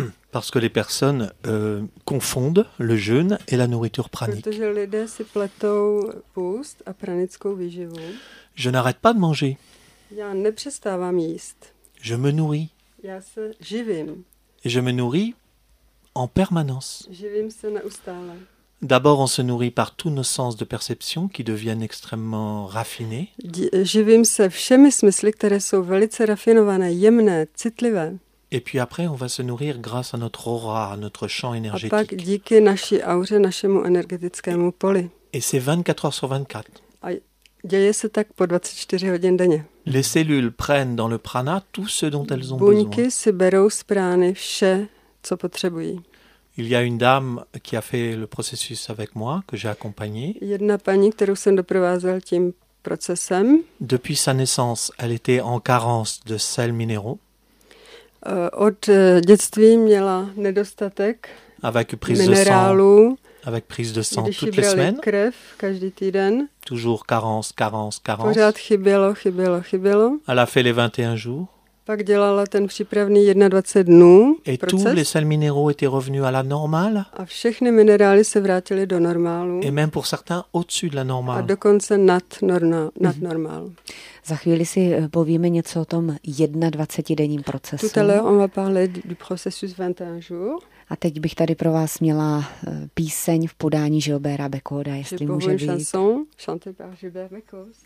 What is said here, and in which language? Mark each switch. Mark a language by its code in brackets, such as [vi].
[fr] Parce que les personnes confondent le jeûne et la nourriture pranique. [cs] Protože lidé si pletou půst a pranickou výživu. [fr] Je n'arrête pas de manger. [cs] Já nepřestávám jíst. [fr] Je me nourris. [cs] Já se živím. [fr] Et je me nourris en permanence. [cs] Živím se neustále. [fr] D'abord, on se nourrit par tous nos sens de perception qui deviennent extrêmement raffinés. [cs] Živím se všemi smysly, které jsou velice rafinované, jemné, citlivé. [fr] Et puis après, on va se nourrir grâce à notre aura, à notre champ énergétique. [cs] A pak díky naší auře, našemu energetickému poli. [fr] Et c'est 24 heures sur 24. [cs] A děje se tak po 24 hodin denně. [fr] Les cellules prennent dans le prana tout ce dont elles ont besoin. [cs] Buňky si berou z prány vše, co potřebují. [fr] Il y a une dame qui a fait le processus avec moi, que j'ai accompagnée. [cs] Jedna paní, kterou jsem doprovázel tím procesem. [fr] Depuis sa naissance, elle était en carence de sels minéraux. [cs] Od dětství měla nedostatek [fr] avec prise [cs] minerálů. [fr] De sang, avec prise de sang toutes les semaines. [cs] Když brali krev každý týden. [fr] Toujours carence, carence, carence. [cs] Pořád chybělo, chybělo, chybělo. [fr] Elle a fait les 21 jours. [cs] Pak dělala ten přípravný 21 dnů. [fr] Et tous les sels minéraux étaient revenus à la normale. [cs] A všechny minerály se vrátily do normálu. [fr] Et même pour certains au-dessus de la normale. [cs] A dokonce nad normál. Za chvíli si povíme něco o tom 21denním procesu. [fr] Tout à l'heure, on va parler du processus 21 jours. [cs] A teď bych tady pro vás měla píseň v podání Gilberta Becauda, jestli může být. [fr] Chanson chantée par Gilbert Becaud.